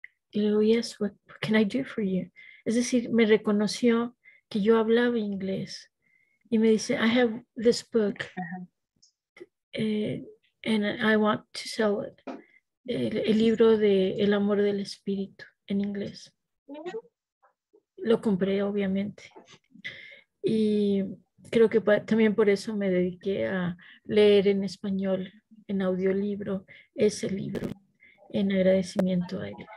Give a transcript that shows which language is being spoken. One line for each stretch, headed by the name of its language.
Spanish: Y le digo,
English: "Yes, what can I do for you?"
Spanish: Es decir, me reconoció que yo hablaba inglés. Y me dice,
English: "I have this book, and I want to sell it."
Spanish: El libro de El Amor del Espíritu en inglés. Lo compré, obviamente. Y creo que también por eso me dediqué a leer en español, en audiolibro, ese libro, en agradecimiento a él.